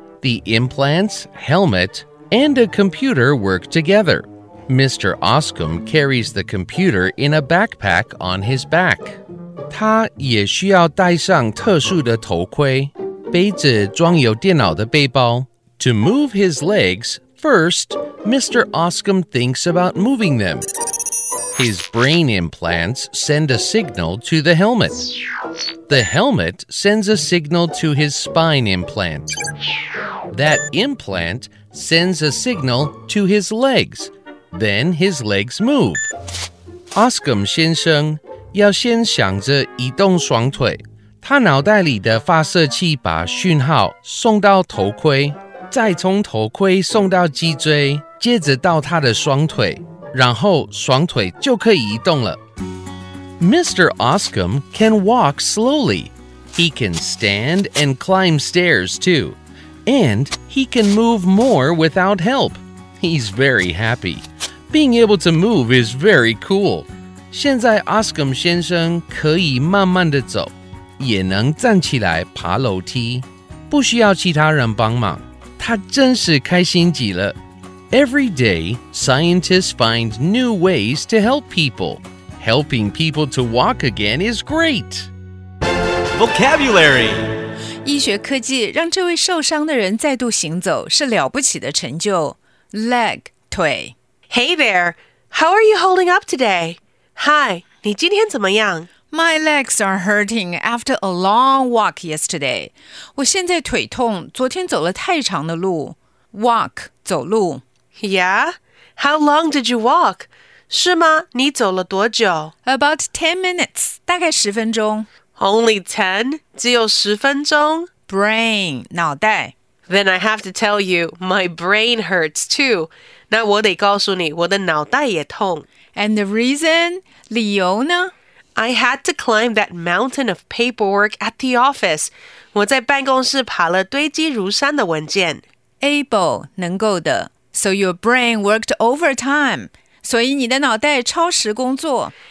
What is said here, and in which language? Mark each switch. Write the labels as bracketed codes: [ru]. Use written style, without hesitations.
[en] The implants, helmet, and a computer work together. Mr. Oskam carries the computer in a backpack on his back. [zh] 他也需要戴上特殊的头盔，背着装有电脑的背包。 [en] To move his legs, first, Mr. Oskam thinks about moving them. His brain implants send a signal to the helmet. The helmet sends a signal to his spine implant. That implant sends a signal to his legs. Then his legs move. [zh] Oskam 先生要先想着移动双腿，他脑袋里的发射器把讯号送到头盔，再从头盔送到脊椎，接着到他的双腿，然后双腿就可以移动了。 [en] Mr. Oskam can walk slowly. He can stand and climb stairs too. And he can move more without help. He's very happy. Being able to move is very cool. [zh] 现在 Oskam 先生可以慢慢地走，也能站起来爬楼梯，不需要其他人帮忙。他真是开心极了。 [en] Every day, scientists find new ways to help people. Helping people to walk again is great. Vocabulary. [zh] 医学科技让这位受伤的人再度行走是了不起的成就。 [en] Leg, 腿。 Hey there, how are you holding up today? [zh] Hi, 你今天怎么样? [en] My legs are hurting after a long walk yesterday. [zh] 我现在腿痛,昨天走了太长的路。 [en] Walk, 走路。 Yeah? How long did you walk? [zh] 是吗? 你走了多久? [en] About 10 minutes, [zh] 大概十分钟。 [en] Only 10? [zh] 只有十分钟? [en] Brain, 脑袋。 Then I have to tell you, my brain hurts too. [zh] 那我得告诉你，我的脑袋也痛。 [en] And the reason? [zh] 理由呢? [en] I had to climb that mountain of paperwork at the office. [zh] 我在办公室爬了堆积如山的文件。 [en] Able, 能够的。So your brain worked overtime. [zh] 所以你的脑袋超时工作。